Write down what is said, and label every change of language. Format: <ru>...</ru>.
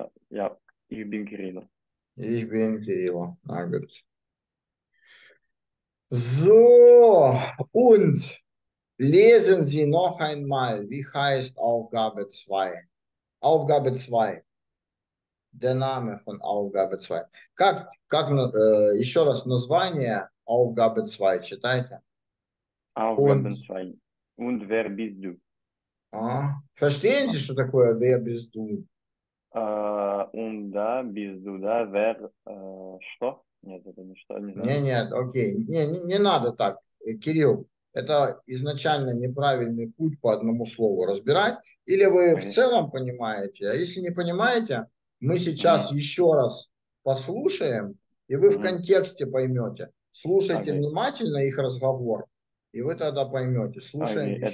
<de>Ja, ich bin Kirilo. Ich bin Kirilo. Na gut. So, und lesen Sie noch einmal, wie heißt Aufgabe 2? Aufgabe 2. Der Name von Aufgabe 2.</de> <ru>Как еще раз название Aufgabe 2, читайте.</ru> <de>Aufgabe 2. Und wer bist du? Verstehen Sie,</de> <ru>что такое</ru> <de>«wer bist du»? Unda, bizduda, wer, что?</de> <ru>Нет, это не что, не знаю. Нет, окей, не надо так, Кирилл, это изначально неправильный путь по одному слову разбирать, или вы в целом понимаете, а если не понимаете, мы сейчас еще раз послушаем, и вы в контексте поймете, слушайте внимательно их разговор, и вы тогда поймете, слушаем еще</ru>